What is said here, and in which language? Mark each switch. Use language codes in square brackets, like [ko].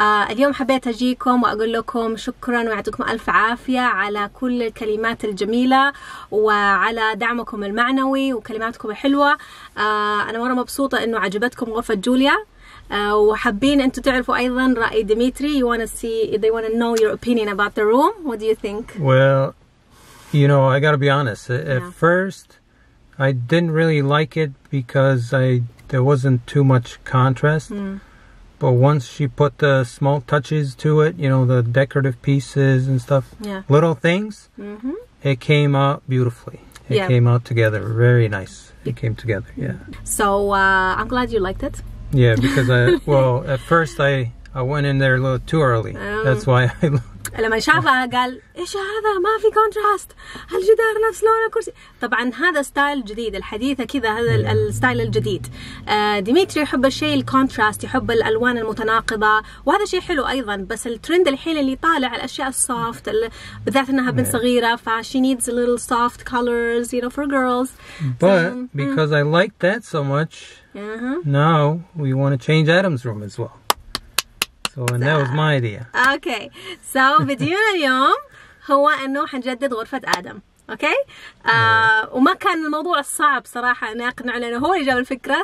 [ar] اليوم حبيت أجيكم وأقول لكم شكرا ويعطيكم ألف عافية على كل الكلمات الجميلة وعلى دعمكم المعنوي وكلماتكم الحلوة. أنا مرة مبسوطة إنه عجبتكم غرفة جوليا، وحابين أنتوا تعرفوا أيضا رأي ديمتري. [en] You wanna see, they wanna know your opinion about the room. What do you think? Well, you know, I gotta be honest. At first, I didn't really like it because there wasn't too much contrast. Mm. But once she put the small touches to it, you know, the decorative pieces and stuff, little things, it came out beautifully. It came out together very nice. It came together, yeah. So I'm glad you liked it. Yeah, because at first I went in there a little too early. That's why I [ar] لما شافها قال ايش هذا، ما في كونتراست، الجدار نفس لون الكرسي. طبعا هذا ستايل جديد، الحديثه كذا، هذا الستايل الجديد. ديمتري يحب الشيء الكونتراست، يحب الالوان المتناقضه، وهذا شيء حلو ايضا. بس الترند الحين اللي طالع الاشياء السوفت، بالذات انها بنت صغيره، ف [en] she needs a little soft colors, you know, for girls. But because I like that so much, now we want to change Adam's room as well. So, and that was my idea. Okay. So, [ar] فيديونا اليوم هو انه حنجدد غرفة آدم. [en] Okay? [ar] وما كان الموضوع الصعب صراحة انه اقنع، لانه هو اللي جاب الفكرة.